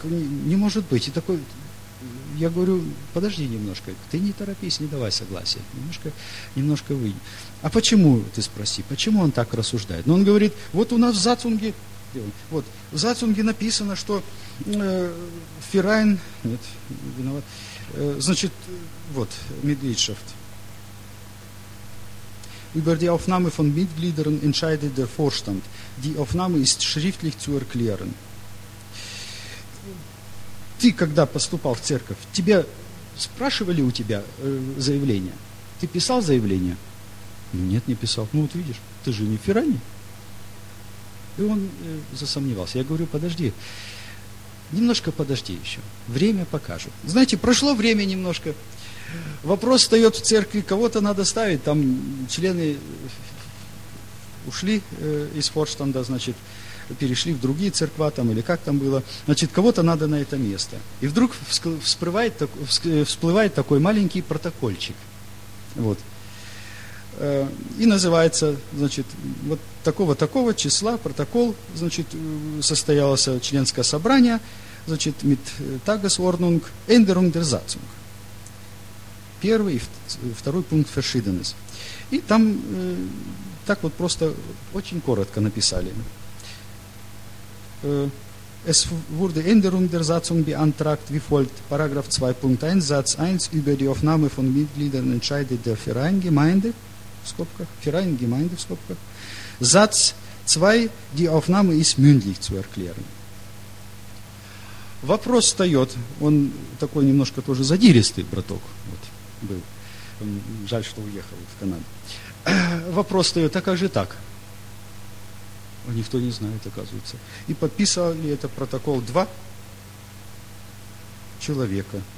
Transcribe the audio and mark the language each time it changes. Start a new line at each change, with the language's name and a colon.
Russian: Не может быть. И такой, я говорю, подожди немножко, ты не торопись, не давай согласия. Немножко выйди. А почему, ты спроси, почему он так рассуждает? Ну он говорит, вот у нас в Зацунге, вот, в Зацунге написано, что Ферайн, нет, виноват, значит, вот, Mitgliedschaft.
German: Über die Aufnahme von Mitgliedern entscheidet der Vorstand. Die Aufnahme ist schriftlich zu erklären.
Russian: Ты, когда поступал в церковь, тебе спрашивали у тебя заявление? Ты писал заявление? Нет, не писал. Ну, вот видишь, ты же не в Ферайне. И он засомневался. Я говорю, подожди, немножко подожди еще, время покажет. Знаете, прошло время немножко, вопрос встает в церкви, кого-то надо ставить, там члены ушли из форштанда, значит, перешли в другие церкви, там, или как там было, значит, кого-то надо на это место. И вдруг всплывает такой маленький протокольчик, вот. И называется, значит, вот такого-такого числа протокол, значит, состоялось членское собрание, значит,
German: mit Tagesordnung, Änderung der Satzung.
Russian: Первый и второй пункт verschiedenes. И там так вот просто очень коротко написали.
German: Es wurde Änderung der Satzung beantragt wie folgt, Paragraph 2.1, Satz 1, über die Aufnahme von Mitgliedern entscheidet der Verein Gemeinde,
Russian: в скобках,
German: Ferein Gemeinde в скобках. Satz 2, die Aufnahme ist mündlich zu erklären.
Russian: Вопрос встает, он такой немножко тоже задиристый браток вот, был. Жаль, что уехал в Канаду. вопрос встает, а как же так? Никто не знает, оказывается. И подписывали это протокол два человека.